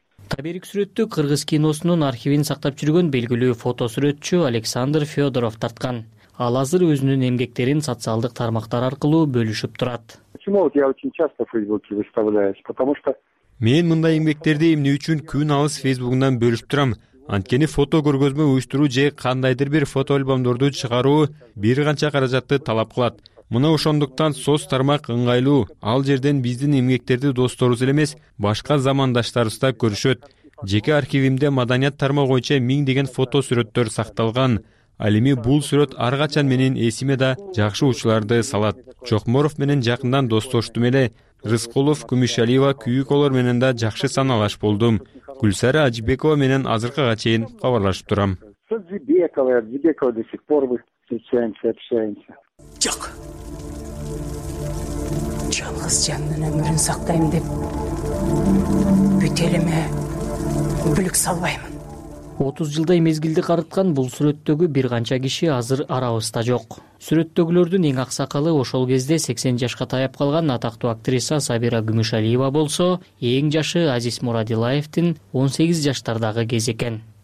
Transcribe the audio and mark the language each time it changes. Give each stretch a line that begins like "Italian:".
Kyrgyz: Таберик сүрөттү кыргыз киносунун архивин сактап жүргөн белгилүү фотосүрөтчү Александр Федоров тарткан. Ал азыр өзүнүн эмгектерин социалдык тармактар аркылуу бөлүшүп турат.
Russian: Почему я очень часто в Фейсбуке выставляюсь? Потому что
Kyrgyz: мен мындай эмгектерди эмне үчүн күн алыс Фейсбугунан бөлүшүп турам? Анткени фото көргөзмө уюштуруу же кандайдыр бир фотоальбомдорду чыгаруу бир канча каражатты талап кылат. Мына ошондуктан соц тармак ыңгайлуу. Ал жерден биздин эмгектерди досторубуз эле эмес, башка замандаштарыбыз да көрүшөт. Жеке архивимде маданият тармагы боюнча миң деген фото сүрөттөр сакталган. Ал эми бул сүрөт ар качан менин эсиме да жакшы учуларды салат. Чокморов менен жакындан достоштум эле. Рыскулов, Күмүшалиева, Күйүколор менен да жакшы саналаш болдум. Гүлсара Ажибекова менен азыркыга чейин кабарлашып турам.
Russian: Ажибекова до сих пор общаемся.
Kyrgyz: Жок. Жалгыз жандын өмүрүн сактайм деп бүт элиме бүлүк салбаймын. 30 жылдай мезгилди карыткан бул сүрөттөгү бир канча киши азыр арабызда жок. Сүрөттөгүлөрдүн эң аксакалы ошол кезде 80 жашка таяп калган атактуу актриса Сабира Күмүшалиева болсо, эң жашы Азиз Мурадилаевдин 18 жаштардагы кез экен.